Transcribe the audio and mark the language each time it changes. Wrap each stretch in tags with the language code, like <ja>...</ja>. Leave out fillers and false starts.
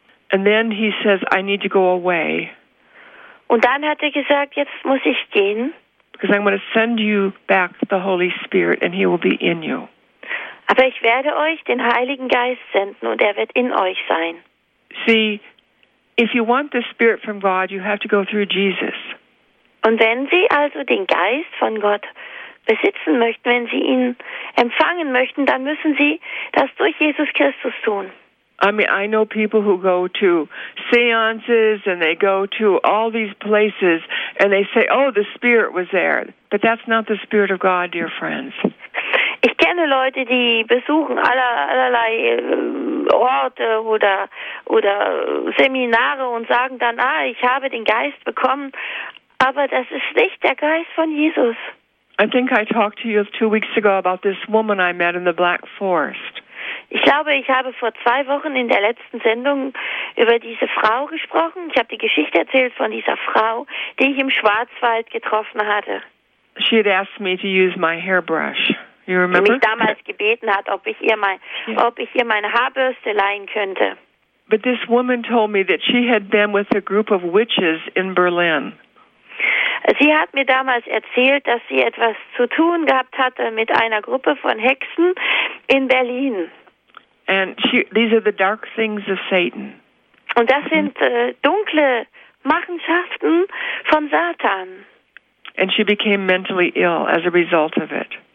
<en>And then he says, I need to go away.</en> <de>Und dann hat er gesagt, jetzt muss ich gehen.</de> <en>Because I'm going to send you back the Holy Spirit and he will be in you.</en> <de>Aber ich werde euch den Heiligen Geist senden und er wird in euch sein.</de> <en>See, if you want the Spirit from God, you have to go through Jesus.</en> <de>Und wenn Sie also den Geist von Gott besitzen möchten, wenn Sie ihn empfangen möchten, dann müssen Sie das durch Jesus Christus tun.</de> <en>I mean, I know people who go to seances and they go to all these places and they say, oh, the Spirit was there. But that's not the Spirit of God, dear friends.</en> <de>Ich kenne Leute, die besuchen allerlei Orte oder Seminare und sagen dann, ich habe den Geist bekommen. Aber das ist nicht der Geist von Jesus.</de> <en>I think I talked to you 2 weeks ago about this woman I met in the Black Forest.</en> <de>Ich glaube, ich habe vor 2 Wochen in der letzten Sendung über diese Frau gesprochen. Ich habe die Geschichte erzählt von dieser Frau, die ich im Schwarzwald getroffen hatte.</de> <en>She had asked me to use my hairbrush. You remember?</en> <de>Die mich damals gebeten hat, ob ich ihr meine Haarbürste leihen könnte.</de> <en>But this woman told me that she had been with a group of witches in Berlin.</en> <de>Sie hat mir damals erzählt, dass sie etwas zu tun gehabt hatte mit einer Gruppe von Hexen in Berlin.</de> <en>And these are the dark things of Satan.</en> <de>Und das sind dunkle Machenschaften von Satan.</de> <en>And she became mentally ill as a result of it.</en>